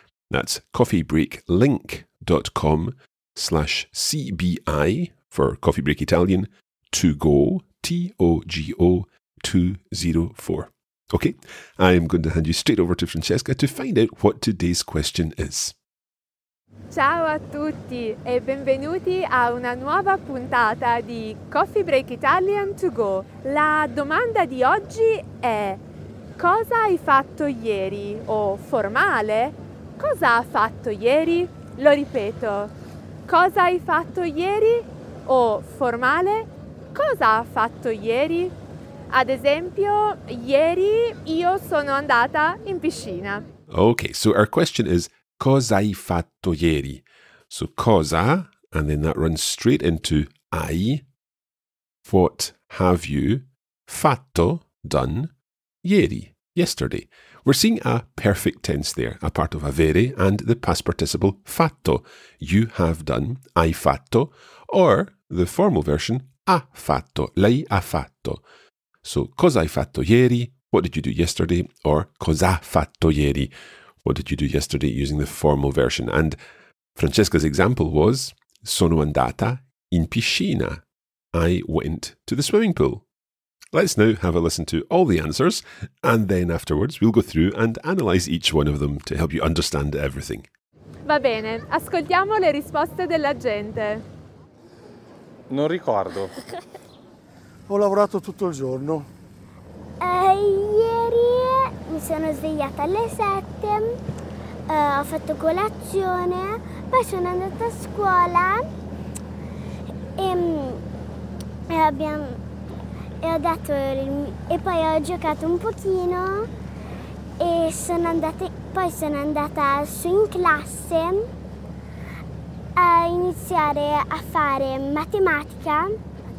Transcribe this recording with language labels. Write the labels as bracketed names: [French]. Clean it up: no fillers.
[English] That's coffeebreaklink.com/CBI for Coffee Break Italian, to go, T-O-G-O, 204. Okay, I am going to hand you straight over to Francesca to find out what today's question is. [Italian] Ciao a tutti e benvenuti a una nuova puntata di Coffee Break Italian To Go. La domanda di oggi è: cosa hai fatto ieri? O formale, cosa ha fatto ieri? Lo ripeto, cosa hai fatto ieri? O formale, cosa ha fatto ieri? Ad esempio, ieri io sono andata in piscina. [English] Ok, so our question is, [Italian] cosa hai fatto ieri? [English] So cosa, and then that runs straight into hai. What have you fatto, done, ieri, yesterday? We're seeing a perfect tense there, a part of avere and the past participle fatto. You have done, [Italian] hai fatto, [English] or the formal version, [Italian] ha fatto, lei ha fatto. So cosa hai fatto ieri? [English] What did you do yesterday? Or [Italian] cosa ha fatto ieri? [English] What did you do yesterday using the formal version? And Francesca's example was, [Italian] sono andata in piscina. [English] I went to the swimming pool. Let's now have a listen to all the answers, and then afterwards we'll go through and analyze each one of them to help you understand everything. [Italian] Va bene, ascoltiamo le risposte della gente. Non ricordo. Ho lavorato tutto il giorno. Ieri mi sono svegliata alle 7, ho fatto colazione, poi sono andata a scuola e poi ho giocato un pochino e sono andata su in classe a iniziare a fare matematica.